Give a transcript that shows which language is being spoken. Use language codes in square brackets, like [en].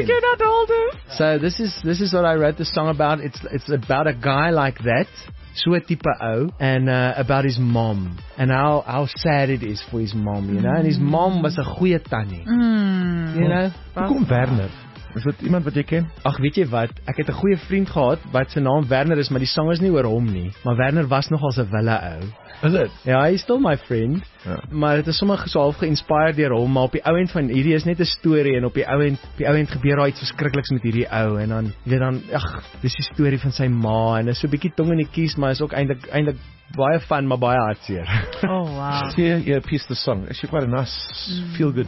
[en] You cannot hold him. So this is what I wrote the song about. It's about a guy like that, so a type O, and about his mom, and how sad it is for his mom, you know? And his mom was a [af] goeie tannie, [en] you know? [af] Hoe kom Werner? Is dit iemand wat jy ken? Ag, weet jy wat? Ek het 'n goeie vriend gehad, wat sy naam Werner is, maar die song is nie oor hom nie. Maar Werner was nogal so 'n wille ou. Is dit? Ja, hy is [en] still my friend. [af] Ja. Maar het is sommer so half geïnspireerd deur hom, maar op die ou end van hierdie is net 'n storie en op die ou end gebeur daar iets verskrikliks met hierdie ou en dan weet dan ag, dis die storie van sy ma en is so 'n bietjie tong in die kies, maar is ook eintlik baie fun, maar baie hartseer. [en] Oh wow. Just hear your piece the song. It's quite a nice feel good.